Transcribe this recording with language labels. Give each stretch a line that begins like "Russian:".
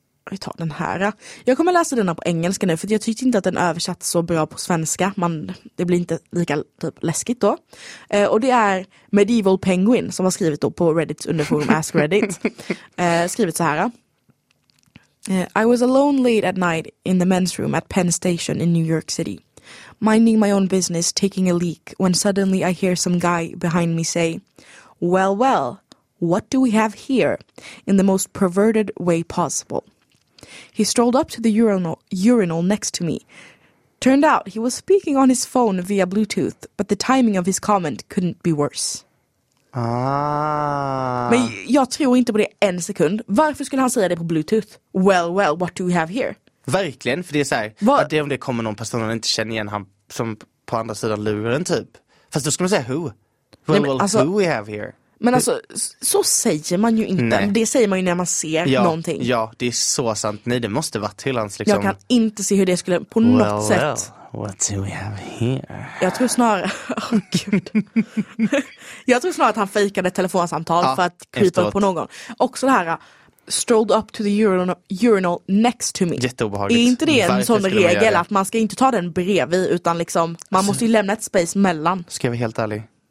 Swedish: vi tar den här. Jag kommer läsa den här på engelska nu, för jag tyckte inte att den översatt så bra på svenska. Man, det blir inte lika typ läskigt då. Och det är Medieval Penguin som har skrivit då på Reddits underforum Ask Reddit. Skrivit så här.
English: I was alone late at night in the men's room at Penn Station in New York City. Minding my own business, taking a leak, when suddenly I hear some guy behind me say, well, well, what do we have here? In the most perverted way possible. He strolled up to the urinal next to me. Turned out he was speaking on his phone via Bluetooth, but the timing of his comment couldn't be worse. Ah.
Swedish: Men jag tror inte på det en sekund. Varför skulle han säga det på Bluetooth?
English: Well, well, what do we have here?
Swedish: Verkligen, för det är så här, att det är om det kommer någon person han inte känner igen, han som på andra sidan luren typ. Fast då skulle man säga who?
English: Well,
Swedish: nej, men, alltså,
English: who we have here?
Swedish: Men alltså, så säger man ju inte. Nej. Det säger man ju när man ser, ja, någonting. Ja, det är så sant. Nej, det måste vara till hans liksom. Jag kan inte se hur det skulle på
English: well,
Swedish: något sätt.
English: Well, what do we have here?
Swedish: Jag tror snarare... Oh, gud. Jag tror snarare att han fejkade ett telefonsamtal, ja, för att krypa upp på någon. Också det här,
English: strolled up to the urinal next to me.
Swedish: Jätteobehagligt. Är inte det en varför sån regel man att man ska inte ta den bredvid, utan liksom, man alltså, måste ju lämna ett space mellan. Ska jag vara helt ärlig?